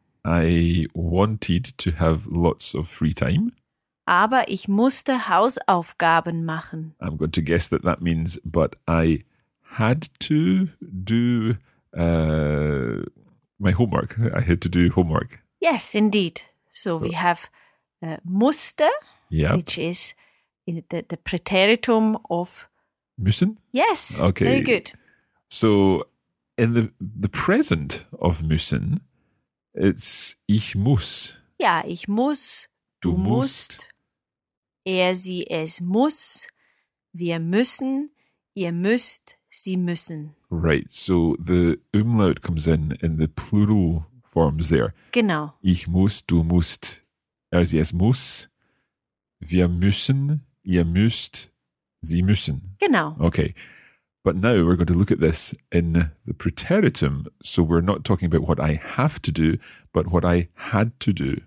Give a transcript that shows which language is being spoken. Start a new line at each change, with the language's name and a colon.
English: I wanted to have lots of free time.
German: Aber ich musste Hausaufgaben machen.
English: I'm going to guess that means, but I had to do my homework. I had to do homework. Yes, indeed. So we have musste, yep. Which is the preteritum of...
German: müssen?
English: Yes. Okay. Very good. So in the present of müssen, it's
German: ich muss. Yeah, ich muss. Du musst. Er, sie, es muss. Wir müssen. Ihr müsst. Sie müssen.
English: Right. So the umlaut comes in the plural forms there.
German: Genau. Ich muss, du musst, er, sie, es muss. Wir müssen, ihr müsst, sie müssen. Genau.
English: Okay. But now we're going to look at this in the preteritum. So we're not talking about what I have to do, but what I had to do.